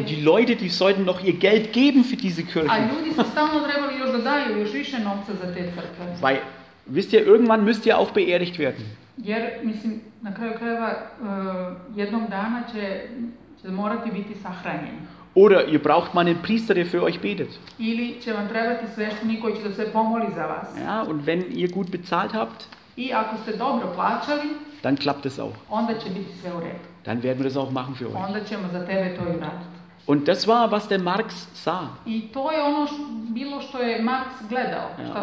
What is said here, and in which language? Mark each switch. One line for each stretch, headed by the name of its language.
German: Und die Leute, die sollten noch ihr Geld geben für diese Kirchen.
Serbian: A ljudi su stalno trebali još da daju još više novca za te crkve.
German: Weil, wisst ihr, irgendwann müsst ihr auch beerdigt werden.
Serbian: Jer, mislim, na kraju krajeva, jednog dana će morati biti sahranjeni.
German: Oder ihr braucht mal einen Priester, der für euch betet.
Serbian: Ili će vam trebati sveštenik koji će da sve pomoli za vas.
German: Ja, und wenn ihr gut bezahlt habt,
Serbian: i ako ste dobro plaćali,
German: dann klappt es auch.
Serbian: Onda će biti sve u redu.
German: Dann werden wir das auch machen für euch.
Serbian: Onda ćemo za tebe to i raditi.
German: Und das war, was der Marx sah.
Serbian: I to je ono bilo što je Marx gledao, ja, šta